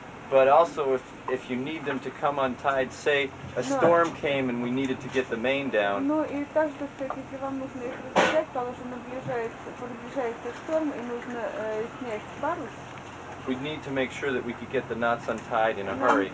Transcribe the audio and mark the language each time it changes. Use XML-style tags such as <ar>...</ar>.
<en>But also if you need them to come untied, say a storm came and we needed to get the main down.</en> <ru>Ну и также, так сказать, если вам нужно их развязать, потому что приближается шторм и нужно снять парус.</ru> <en>We'd need to make sure that we could get the knots untied in a hurry.</en>